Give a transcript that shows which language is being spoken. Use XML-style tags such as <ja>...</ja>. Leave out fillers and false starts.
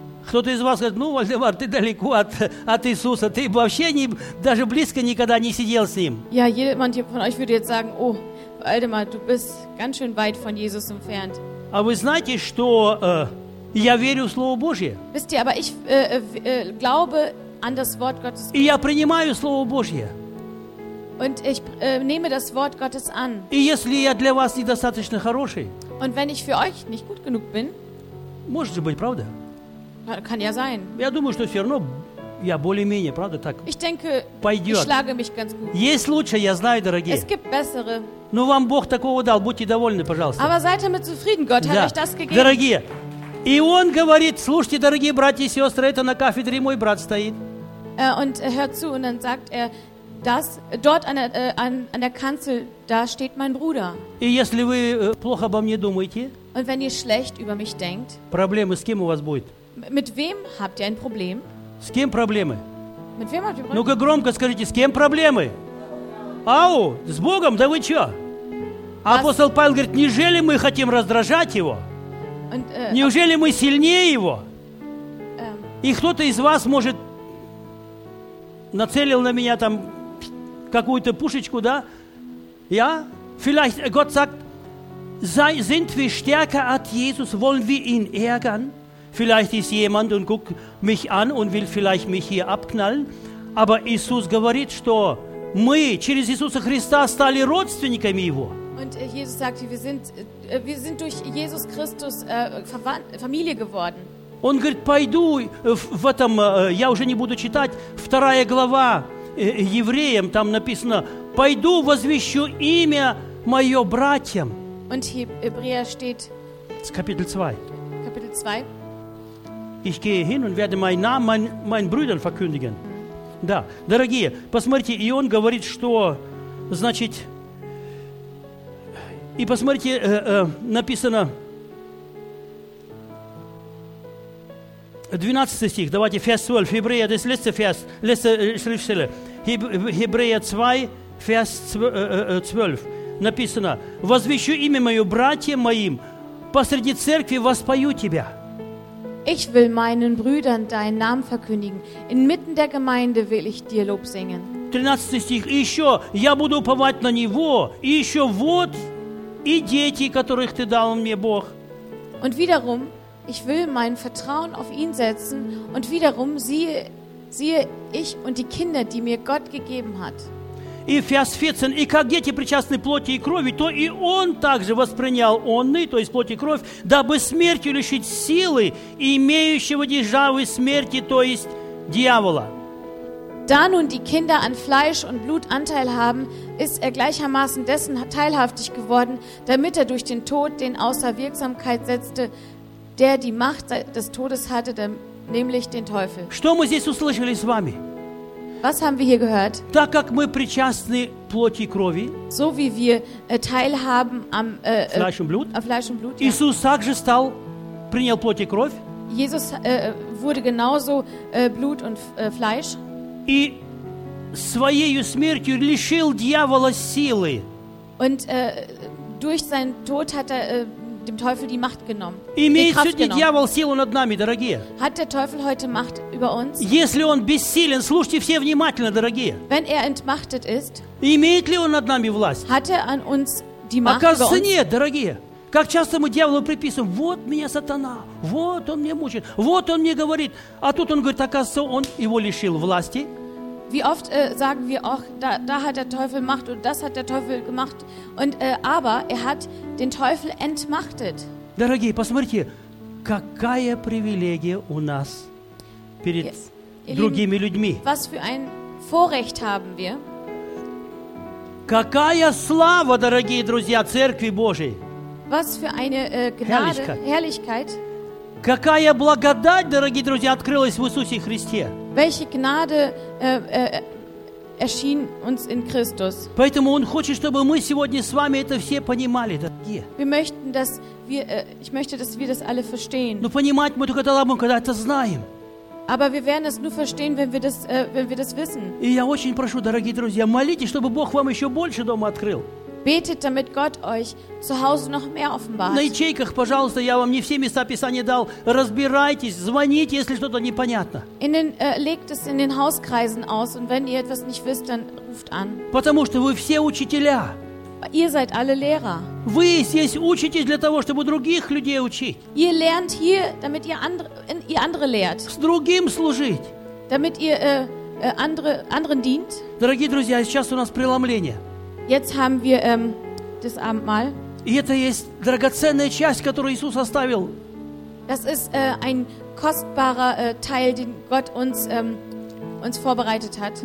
<ru>Кто-то из вас говорит, ну, Вальдемар, ты далеко от Иисуса, ты вообще не, даже близко никогда не сидел с ним.</ru> <de>Ja, jemand von euch würde jetzt sagen, oh, Вальдемар, du bist ganz schön weit von Jesus entfernt.</de> <ru>А вы знаете, что я верю в Слово Божье?</ru> <de>Wisst ihr, aber ich glaube an das Wort Gottes.</de> <ru>И я принимаю Слово Божье.</ru> <de>Und ich nehme das Wort Gottes an.</de> <ru>И если я для вас недостаточно хороший,</ru> <de>und wenn ich für euch nicht gut genug bin,</de> <ru>может быть, правда?</ru> <de>Kann ja sein.</de> <ru>Я думаю, что все равно я более-менее, правда, так</ru> <de>ich denke,</de> <ru>пойдет.</ru> <de>Ich schlage mich ganz gut.</de> <ru>Есть лучше, я знаю, дорогие.</ru> <de>Es gibt bessere.</de> <ru>Но вам Бог такого дал, будьте довольны, пожалуйста.</ru> <de>Aber seid damit zufrieden, Gott hat euch das gegeben.</de> <ru>Дорогие. И он говорит, слушайте, дорогие братья и сестры, это на кафедре мой брат стоит.</ru> <de>Und hört zu, und dann sagt er, das, dort an der Kanzel, da steht mein Bruder.</de> <ru>И если вы плохо обо мне думаете,</ru> <de>und wenn ihr schlecht über mich denkt,</de> <ru>проблемы с кем у вас будет?</ru> <de>Mit wem habt ihr ein Problem?</de> <ru>С кем проблемы?</ru> <de>Mit wem habt ihr Problem?</de> <ru>Ну-ка громко скажите, с кем проблемы? Ау, с Богом, да вы чё? Апостол Павел говорит, неужели мы хотим раздражать его?</ru> <de>Und,</de> <ru>неужели мы сильнее его? И кто-то из вас, может, нацелил на меня там какую-то пушечку, да? Я?</ru> <de>Vielleicht, Gott sagt, Sind wir stärker als Jesus? Wollen wir ihn ärgern? Vielleicht ist jemand und guckt mich an und will vielleicht mich hier abknallen. Aber</de> <ru>Иисус говорит, что мы через Иисуса Христа стали родственниками Его.</ru> <de>Und Jesus sagt, wir sind durch Jesus Christus Familie geworden.</de> <ru>Он говорит, пойду в этом, я уже не буду читать, вторая глава евреям, там написано, пойду возвещу имя мое братьям.</ru> <de>Und Hebräer steht, Kapitel 2. Ich gehe hin und werde meinen Namen meinen Brüdern verkündigen.</de> <ru>Да, дорогие, посмотрите, и он говорит, что, значит, и посмотрите, написано, 12 стих, давайте,</ru> <de>Vers 12, Hebräer, das letzte Vers, letzte Schriftstelle, Hebräer 2, Vers 12,</de> <ru>написано, возвещу имя мое братьям моим, посреди церкви воспою тебя.</ru> <de>Ich will meinen Brüdern deinen Namen verkündigen. Inmitten der Gemeinde will ich dir Lob singen. 13.</de> <ru>Stich, еще, я буду уповать на него, и еще вот и дети, которых ты дал мне, Бог.</ru> <de>Und wiederum, ich will mein Vertrauen auf ihn setzen, und wiederum siehe ich und die Kinder, die mir Gott gegeben hat.</de> <ru>И Vers 14, и как дети причастны плоти и крови, то и он также воспринял онны, то есть плоть и кровь, дабы смертью лишить силы имеющего державы смерти, то есть дьявола.</ru> <de>Da nun die Kinder an Fleisch und Blut Anteil haben, ist gleichermaßen dessen teilhaftig geworden, damit durch den Tod, den außer Wirksamkeit setzte, der die Macht des Todes hatte, nämlich den Teufel.</de> <ru>Что мы здесь услышали с вами?</ru> <de>Was haben wir hier gehört?</de> <ru>Так как мы причастны плоти и крови,</ru> <de>so wie wir teilhaben am Fleisch und Blut,</de> <ru>Иисус также стал, принял плоть и кровь.</ru> <de>Jesus wurde genauso Blut und Fleisch.</de> <ru>И своей смертью лишил дьявола силы.</ru> <de>Und durch seinen Tod hat er dem Teufel die Macht genommen.</de> <ru>Имеет сегодня дьявол силу над нами, дорогие?</ru> <de>Hat der Teufel heute Macht über uns?</de> <ru>Если он бессилен, слушайте все внимательно, дорогие.</ru> <de>Wenn er entmachtet ist,</de> <ru>имеет ли он над нами власть?</ru> <de>Hat er an uns die Macht über uns?</de> <ru>Оказывается, нет, дорогие. Как часто мы дьяволу приписываем, вот меня сатана, вот он меня мучает, вот он мне говорит. А тут он говорит, оказывается, он его лишил власти.</ru> <de>Wie oft sagen wir auch, da hat der Teufel Macht und das hat der Teufel gemacht. Und aber er hat den Teufel entmachtet.</de> <ru>Дорогие, посмотрите, какая привилегия у нас перед другими людьми.</ru> <de>Was für ein Vorrecht haben wir?</de> <ru>Какая слава, дорогие друзья, Церкви Божией.</ru> <de>Was für eine Gnade, Herrlichkeit.</de> <ru>Какая благодать, дорогие друзья, открылась в Иисусе Христе.</ru> <de>Welche Gnade erschien uns in Christus.</de> <ru>Поэтому он хочет, чтобы мы сегодня с вами это все понимали, дорогие.</ru> <de>Wir möchten, dass wir, ich möchte, dass wir das alle verstehen.</de> <ru>Но понимать мы только тогда будем, когда это знаем.</ru> <de>Aber wir werden es nur verstehen, wenn wir das wissen.</de> <ru>И я очень прошу, дорогие друзья, молитесь, чтобы Бог вам еще больше дома открыл.</ru> <de>Betet, damit Gott euch zu Hause noch mehr offenbart.</de> <ru>На ячейках, пожалуйста, я вам не все места Писания дал. Разбирайтесь, звоните, если что-то непонятно.</ru> <de>Legt es in den Hauskreisen aus, und wenn ihr etwas nicht wisst, dann ruft an.</de> <ru>Потому что вы все учителя.</ru> <de>Ihr seid alle Lehrer.</de> <ru>Вы здесь учитесь для того, чтобы других людей учить.</ru> <de>Ihr lernt hier, damit ihr andere lehrt.</de> <ru>С другим служить.</ru> <de>Damit ihr anderen dient.</de> <ru>Дорогие друзья, сейчас у нас преломление.</ru> <de>Jetzt haben wir das Abendmahl.</de> <ru>И это есть драгоценная часть, которую Иисус оставил.</ru> <de>Das ist ein kostbarer Teil, den Gott uns vorbereitet hat.</de>